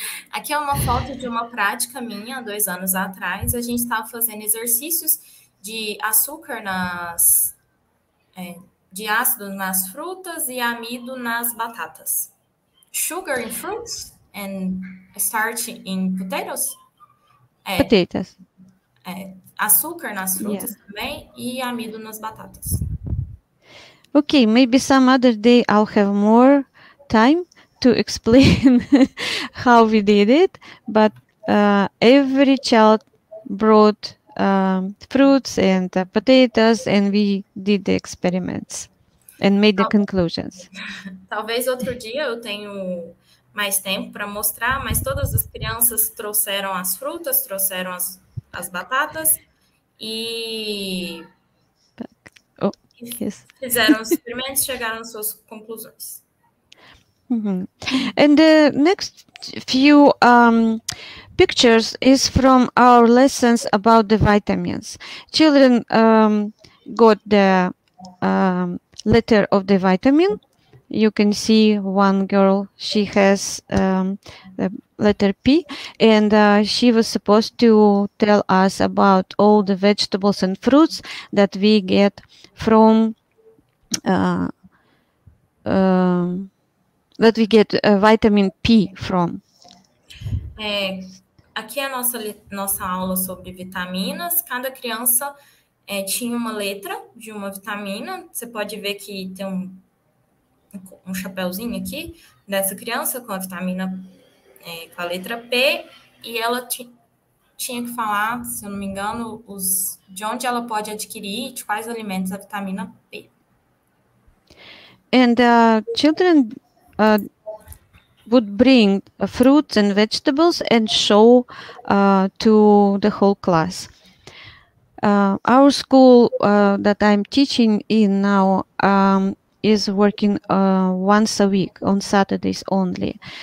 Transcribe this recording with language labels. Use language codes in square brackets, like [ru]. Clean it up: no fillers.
[pt] aqui é uma foto de uma prática minha 2 anos atrás. A gente estava fazendo exercícios de açúcar nas de ácido nas frutas e amido nas batatas. [en] Sugar in fruits and starch in potatoes. Potatoes. [pt] Açúcar nas frutas, yeah, também e amido nas batatas. [en] Okay, maybe some other day I'll have more time to explain how we did it, but every child brought fruits and potatoes, and we did the experiments and made the conclusions. [pt] Talvez outro dia eu tenha mais tempo para mostrar, mas todas as crianças trouxeram as frutas, trouxeram as batatas e fizeram os experimentos, chegaram às suas conclusões. Mm-hmm. [en] And the next few pictures is from our lessons about the vitamins. Children got the letter of the vitamin, You can see one girl, she has the letter P, and she was supposed to tell us about all the vegetables and fruits that we get from that we get vitamin P from. [pt] É, aqui é a nossa aula sobre vitaminas. Cada criança tinha uma letra de uma vitamina. Você pode ver que tem um chapéuzinho aqui dessa criança com a vitamina, com a letra P, e ela tinha que falar, se eu não me engano, de onde ela pode adquirir, de quais alimentos a vitamina P. [en] And children would bring fruits and vegetables and show to the whole class. Our school that I'm teaching in now is working once a week on Saturdays only.